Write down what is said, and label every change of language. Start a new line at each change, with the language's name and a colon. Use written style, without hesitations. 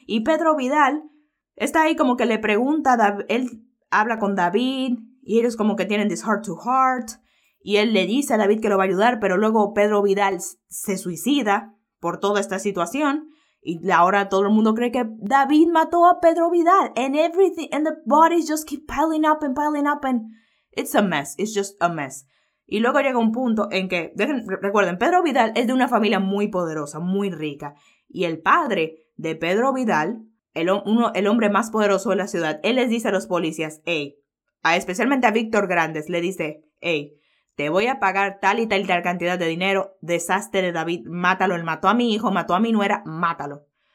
Spanish: Y Pedro Vidal está ahí como que le pregunta, él habla con David y ellos como que tienen
English: this heart to heart.
Spanish: Y él le dice a David que lo va a ayudar, pero luego Pedro Vidal se suicida por toda esta situación. Y ahora todo el mundo cree que David mató a Pedro Vidal.
English: And everything, and the bodies just keep piling up and it's a mess, it's just a mess.
Spanish: Y luego llega un punto en que, recuerden, Pedro Vidal es de una familia muy poderosa, muy rica. Y el padre de Pedro Vidal, el hombre más poderoso de la ciudad, él les dice a los policías, especialmente a Víctor Grandes, le dice, te voy a pagar tal y tal y tal cantidad de dinero, deshazte de David, mátalo, él mató a mi hijo, mató a mi nuera, mátalo.